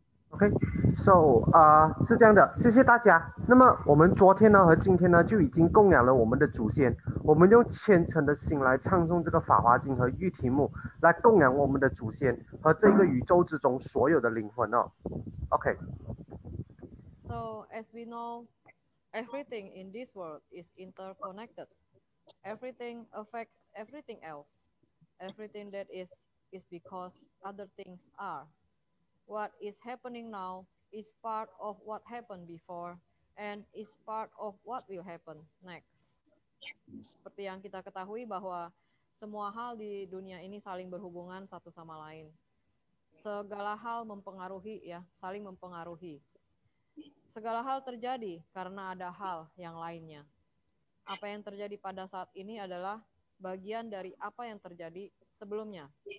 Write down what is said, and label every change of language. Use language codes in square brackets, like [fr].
[zh] OK, so, 是这样的,谢谢大家。那么我们昨天呢和今天呢就已经供养了我们的祖先,我们用虔诚的心来唱诵这个法华经和玉题目来供养我们的祖先和这个宇宙之中所有的灵魂哦。OK. [en] So, as we know, everything in this world is interconnected. Everything affects everything else. Everything that is because other things are. What is happening now is part of what happened before and is part of what will happen next. [id] Seperti yang kita ketahui bahwa semua hal di dunia ini saling berhubungan satu sama lain. Segala hal mempengaruhi, ya, saling mempengaruhi. Segala hal terjadi karena ada hal yang lainnya. Apa yang terjadi pada saat ini adalah bagian dari apa yang terjadi sebelumnya.